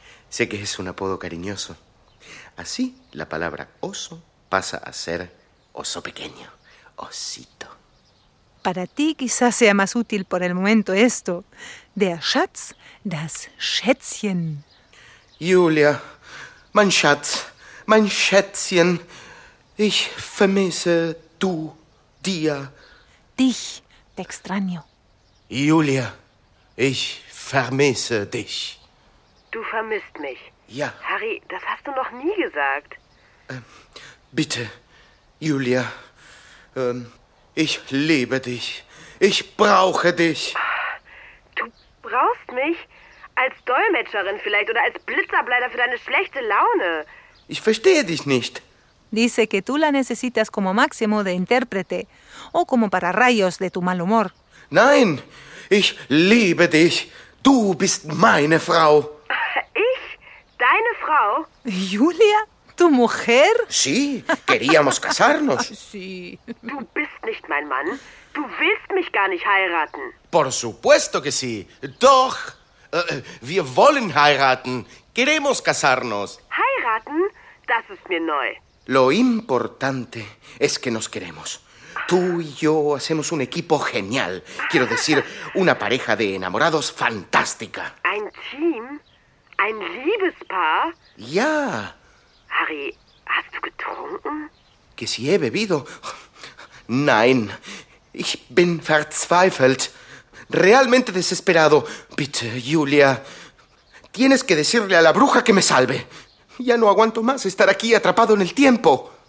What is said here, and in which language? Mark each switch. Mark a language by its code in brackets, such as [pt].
[es] Sé que es un apodo cariñoso. Así, la palabra oso pasa a ser oso pequeño. Osito. Para ti quizás sea más útil por el momento esto. [de] Der Schatz, das Schätzchen. Julia, mein Schatz, mein Schätzchen, ich vermisse du, dir. Dich, [es] te extraño. [de] Julia, ich vermisse dich. Du vermisst mich? Ja. Harry, das hast du noch nie gesagt. Bitte, Julia, ich liebe dich. Ich brauche dich. Du brauchst mich? Als Dolmetscherin vielleicht oder als Blitzableiter für deine schlechte Laune? Ich verstehe dich nicht. [es] Dice que tú la necesitas como máximo de intérprete o como para rayos de tu mal humor. [de] Nein, ich liebe dich. Du bist meine Frau. Ich? Deine Frau? [es] Julia? Tu mujer? Sí, queríamos casarnos. Sí. [de] Du bist nicht mein Mann. Du willst mich gar nicht heiraten. [es] Por supuesto que sí. [de] Doch. Wir wollen heiraten. [es] Queremos casarnos. [de] Heiraten? Das ist mir neu. [es] Lo importante es que nos queremos. Tú y yo hacemos un equipo genial. Quiero decir, una pareja de enamorados fantástica. [de] Ein Team? Ein Liebespaar? Ja. Harry, hast du getrunken? [es] Que si he bebido. [de] Nein, ich bin verzweifelt. [es] Realmente desesperado. [de] Bitte, [es] Julia, tienes que decirle a la bruja que me salve. Ya no aguanto más estar aquí atrapado en el tiempo.